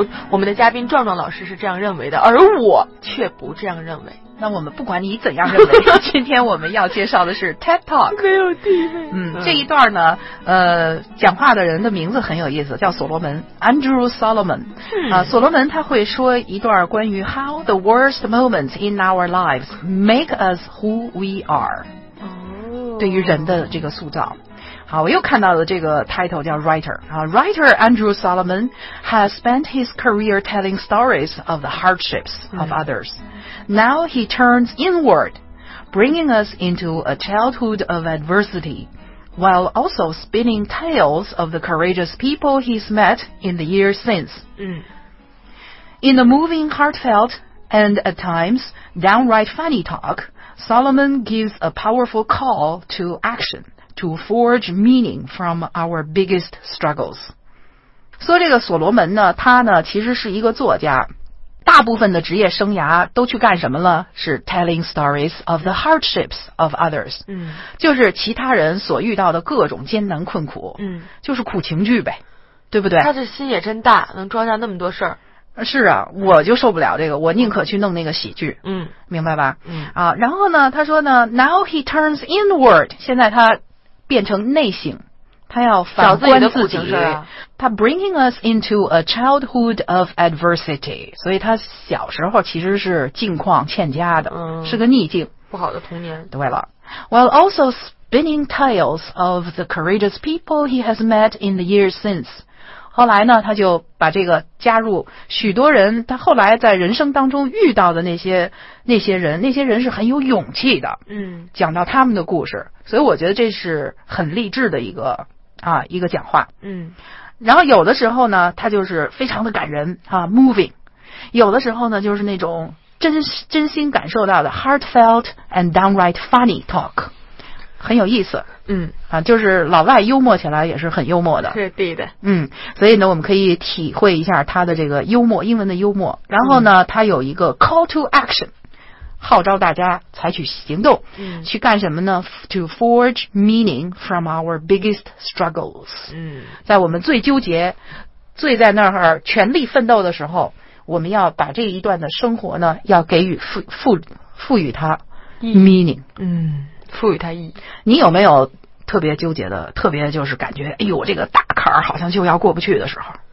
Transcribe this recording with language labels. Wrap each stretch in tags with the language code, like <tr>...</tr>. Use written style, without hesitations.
<zh>我们的嘉宾壮壮老师是这样认为的，而我却不这样认为。那我们不管你怎样认为，今天我们要介绍的是 TED Talk。没有地位。这一段呢，讲话的人的名字很有意思，叫所罗门 Andrew Solomon。所罗门他会说一段关于 How the worst moments in our lives make us who we are、对于人的这个塑造。</zh> <en>好，我又看到了这个 title 叫 writer、writer Andrew Solomon has spent his career telling stories of the hardships of others. Now he turns inward, bringing us into a childhood of adversity, while also spinning tales of the courageous people he's met in the years since. In a moving, heartfelt, and at times downright funny talk, Solomon gives a powerful call to action. To forge meaning from our biggest struggles.</en> <zh>说这个所罗门呢，他呢其实是一个作家，大部分的职业生涯都去干什么了？</zh> <en>是 telling stories of the hardships of others.</en> <zh>就是其他人所遇到的各种艰难困苦。就是苦情剧呗，对不对？他这心也真大，能装下那么多事儿。是啊，我就受不了这个，我宁可去弄那个喜剧。明白吧？然后呢，他说呢 ， Now he turns inward. 现在他变成内省，他要反观自己。他 bringing us into a childhood of adversity，所以他小时候其实是境况欠佳的，是个逆境，不好的童年。对了 ， while also spinning tales of the courageous people he has met in the years since，后来呢，他就把这个加入许多人，他后来在人生当中遇到的那些人是很有勇气的，讲到他们的故事。所以我觉得这是很励志的一个讲话。然后有的时候呢它就是非常的感人啊 moving， 有的时候呢就是那种真心感受到的 heartfelt and downright funny talk，很有意思。就是老外幽默起来也是很幽默的。是对的。所以呢我们可以体会一下他的这个幽默，英文的幽默。然后呢他有一个 call to action，号召大家采取行动，去干什么呢 ？ To forge meaning from our biggest struggles。在我们最纠结、最在那儿全力奋斗的时候，我们要把这一段的生活呢，要给予赋予它 meaning。赋予它意义。你有没有特别纠结的？特别就是感觉，哎呦，这个大坎儿好像就要过不去的时候。</zh>